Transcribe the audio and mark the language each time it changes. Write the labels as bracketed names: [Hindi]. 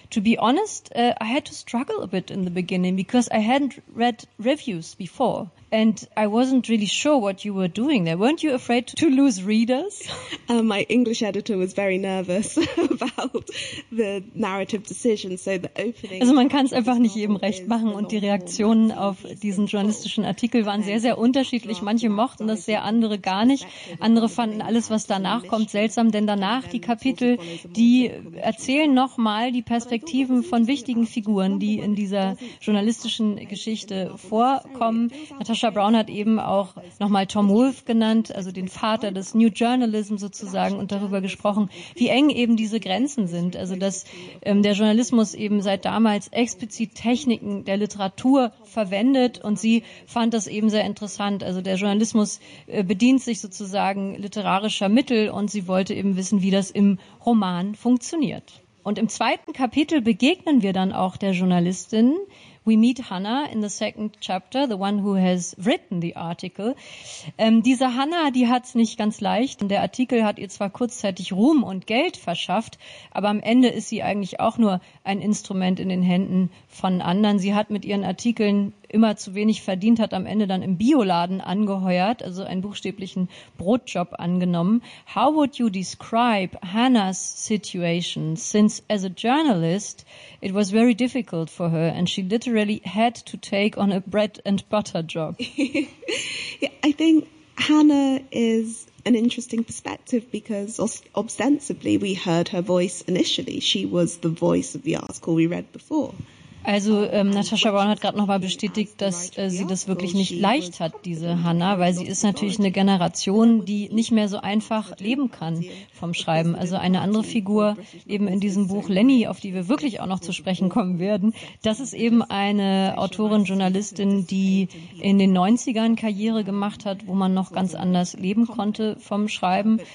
[English] To be honest, I had to struggle a bit in the beginning because I hadn't read reviews before. And I wasn't really sure what you were doing there. Weren't you afraid to lose readers? My English editor was very nervous about the narrative decision. So the opening. [German] Also man kann es einfach nicht jedem recht machen. Und die Reaktionen auf diesen journalistischen Artikel waren sehr, sehr unterschiedlich. Manche mochten das sehr, andere gar nicht. Andere fanden alles, was danach kommt, seltsam. Denn danach, die Kapitel, die erzählen nochmal die Perspektiven von wichtigen Figuren, die in dieser journalistischen Geschichte vorkommen. Natasha Brown hat eben auch nochmal Tom Wolfe genannt, also den Vater des New Journalism sozusagen, und darüber gesprochen, wie eng eben diese Grenzen sind. Also dass der Journalismus eben seit damals explizit Techniken der Literatur verwendet, und sie fand das eben sehr interessant. Also der Journalismus bedient sich sozusagen literarischer Mittel, und sie wollte eben wissen, wie das im Roman funktioniert. Und im zweiten Kapitel begegnen wir dann auch der Journalistin. [English] We meet Hannah in the second chapter, the one who has written the article. [German] Diese Hannah, die hat es nicht ganz leicht. Der Artikel hat ihr zwar kurzzeitig Ruhm und Geld verschafft, aber am Ende ist sie eigentlich auch nur ein Instrument in den Händen von anderen. Sie hat mit ihren Artikeln immer zu wenig verdient, hat am Ende dann im Bioladen angeheuert, also einen buchstäblichen Brotjob angenommen. [English] How would you describe Hannah's situation? Since as a journalist, it was very difficult for her and she literally had to take on a bread and butter job. Yeah, I think Hannah is an interesting perspective because ostensibly we heard her voice initially. She was the voice of the article we read before. [German] Also Natasha Brown hat gerade nochmal bestätigt, dass sie das wirklich nicht leicht hat, diese Hannah, weil sie ist natürlich eine Generation, die nicht mehr so einfach leben kann vom Schreiben. Also eine andere Figur eben in diesem Buch, Lenny, auf die wir wirklich auch noch zu sprechen kommen werden, das ist eben eine Autorin, Journalistin, die in den 90ern Karriere gemacht hat, wo man noch ganz anders leben konnte vom Schreiben.